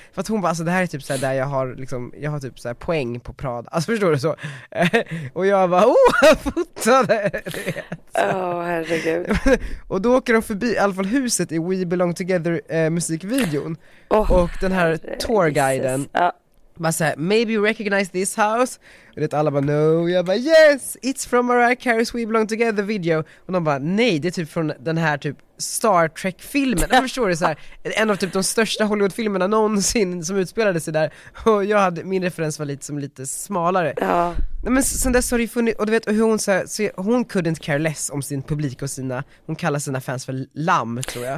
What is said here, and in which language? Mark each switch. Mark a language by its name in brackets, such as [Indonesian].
[Swedish] För att hon bara, alltså det här är typ så här där jag har liksom, jag har typ så här poäng på Prada. Alltså förstår du så? Och jag bara, oh, han fotade. Åh, oh, herregud. Och då åker de förbi, i alla fall huset i We Belong Together musikvideon. Oh, och den här tourguiden. Bara såhär, [English] maybe you recognize this house. [Swedish] Och det är alla bara, [English] no. [Swedish] Jag bara, [English] yes, it's from Mariah Carey's We Belong Together video. [Swedish] Och de bara, nej, det är typ från den här typ Star Trek-filmen. Jag förstår det, så här, en av typ de största Hollywood-filmerna någonsin som utspelade sig där. Och jag hade, min referens var lite, som lite smalare. Ja. Men sen dess har det ju funnits, och du vet, och hur hon så här, så hon [English] couldn't care less [Swedish] om sin publik och sina, hon kallar sina fans för lamm, tror jag.